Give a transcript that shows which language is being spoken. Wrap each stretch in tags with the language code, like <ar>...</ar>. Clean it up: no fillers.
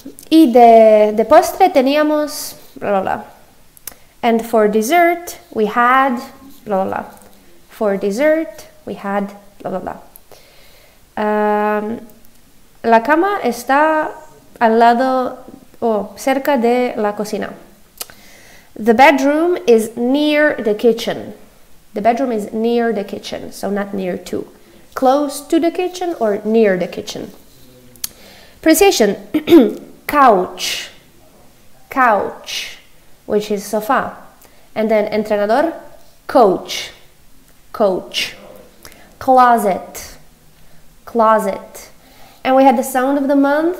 <es>Y de postre teníamos blah.</es> <en>And for dessert we had blah. For dessert we had blah.</en> <es>La cama está al lado cerca de la cocina.</es> <en>The bedroom is near the kitchen. The bedroom is near the kitchen, so not near to. Close to the kitchen or near the kitchen. Pronunciation. Couch, couch, which is sofa, and then entrenador, coach, coach, closet, closet, and we had the sound of the month.</en>